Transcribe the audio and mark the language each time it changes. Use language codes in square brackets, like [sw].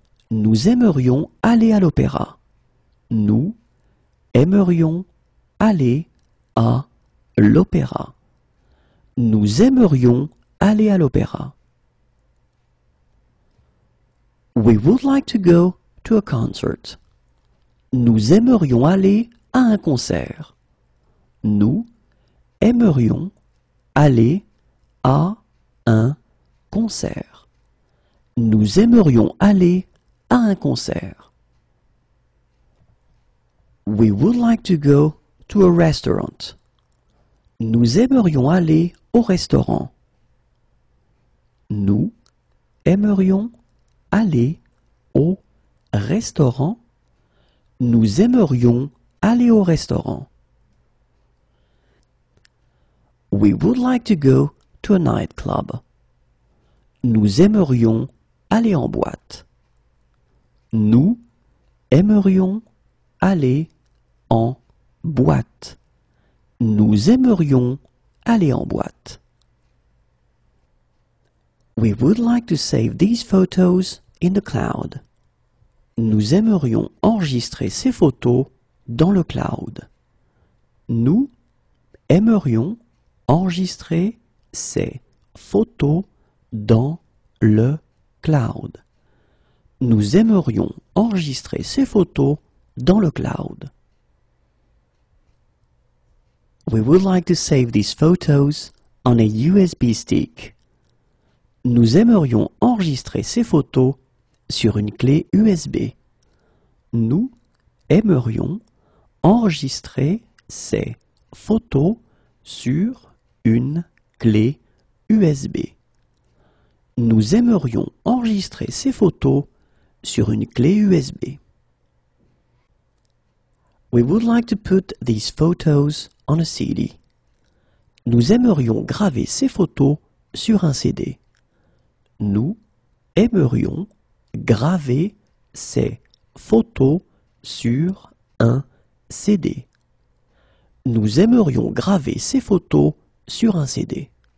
[fr] Nous aimerions aller à l'opéra. Nous aimerions aller à l'opéra. Nous aimerions aller à l'opéra. [en] We would like to go to a concert. [fr] Nous aimerions aller à un concert. Nous aimerions aller à un concert. Nous aimerions aller à un concert. [en] We would like to go to a restaurant. [fr] Nous aimerions aller au restaurant. Nous aimerions aller au restaurant. Nous aimerions aller au restaurant. [en] We would like to go to a nightclub. [fr] Nous aimerions aller en boîte. Nous aimerions aller en boîte. Nous aimerions aller en boîte. [en] We would like to save these photos in the cloud. [fr] Nous aimerions enregistrer ces photos dans le cloud. Nous aimerions enregistrer ces photos dans le cloud. Nous aimerions enregistrer ces photos dans le cloud. [en] We would like to save these photos on a USB stick. [fr] Nous aimerions enregistrer ces photos sur une clé USB. Nous aimerions enregistrer ces photos sur une clé USB. Nous aimerions enregistrer ces photos sur une clé USB. [en] We would like to put these photos on a CD. [fr] Nous aimerions graver ces photos sur un CD. Nous aimerions graver ces photos sur un CD. Nous aimerions graver ces photos sur un CD.